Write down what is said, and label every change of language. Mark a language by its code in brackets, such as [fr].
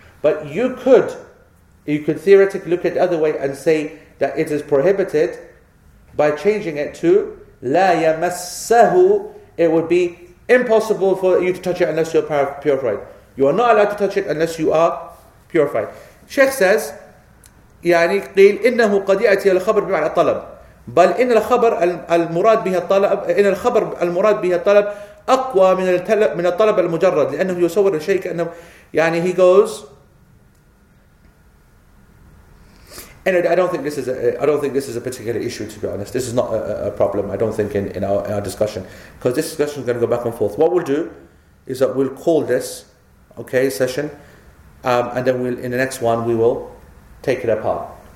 [en] But you could theoretically look at it the other way and say that it is prohibited by changing it to la yamassahu. It would be impossible for you to touch it unless you are purified. You are not allowed to touch it unless you are purified. Sheikh says, [ar] يعني قيل إنه قد يأتي الخبر بمعنى الطلب بل إن الخبر المراد به الطلب إن الخبر المراد به الطلب أقوى من الطلب من الطلب المجرد لأنه يصور الشيء كأنه يعني [en] he goes. And I don't think this is a particular issue, to be honest. This is not a problem, I don't think, in our discussion. Because this discussion is going to go back and forth. What we'll do is that we'll call this, okay, session. And then we'll in the next one, we will take it apart.